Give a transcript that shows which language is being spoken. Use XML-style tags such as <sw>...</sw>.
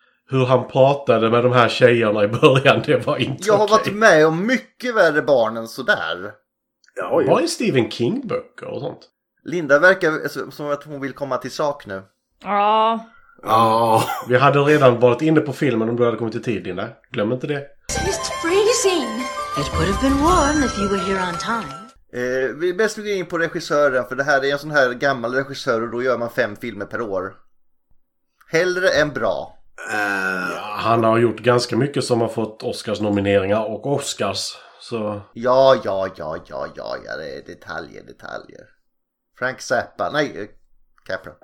<sv>Hur han pratade med de här tjejerna i början, det var inte okej. Jag har varit med om mycket värre barn än sådär. Ja, ja. Var är Stephen King-böcker och sånt? Linda verkar som att hon vill komma till sak nu. Ja. Ja. Vi hade redan varit inne på filmen om du hade kommit till tid, Linda. Glöm inte det.</sv> <en>It's freezing. It would have been warm if you were here on time.</en> <sv>Vi är bäst att gå in på regissören, för det här är en sån här gammal regissör och då gör man 5 filmer per år. Hellre än bra. Han har gjort ganska mycket som har fått Oscars nomineringar och Oscars. Så. Ja, det är detaljer. Frank Zappa, nej, Capra.</sv>